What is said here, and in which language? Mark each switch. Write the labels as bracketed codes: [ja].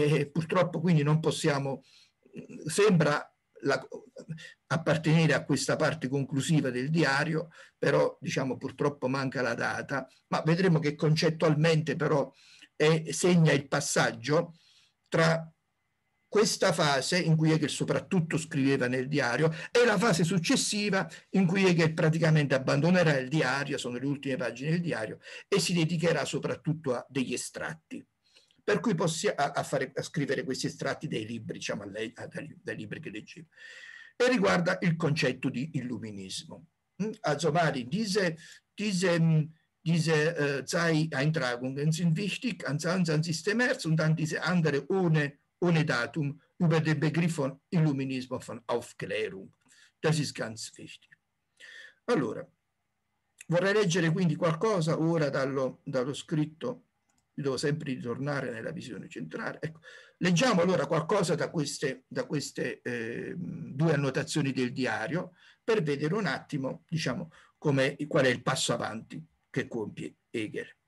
[it] Purtroppo quindi non possiamo, sembra appartenere a questa parte conclusiva del diario, però diciamo purtroppo manca la data, ma vedremo che concettualmente però segna il passaggio tra questa fase in cui Hegel soprattutto scriveva nel diario e la fase successiva in cui Hegel praticamente abbandonerà il diario, sono le ultime pagine del diario, e si dedicherà soprattutto a degli estratti. Per cui a scrivere questi estratti dei libri, diciamo, dai libri che leggeva. E riguarda il concetto di illuminismo. [de] Also, Mari, diese Eintragungen sind wichtig, am 22. März und dann diese andere ohne Datum über den Begriff von Illuminismo, von Aufklärung. Das ist ganz wichtig. [it] Allora, vorrei leggere quindi qualcosa ora dallo scritto, devo sempre ritornare nella visione centrale. Ecco, leggiamo allora qualcosa da queste due annotazioni del diario per vedere un attimo, diciamo, qual è il passo avanti che compie Hegel.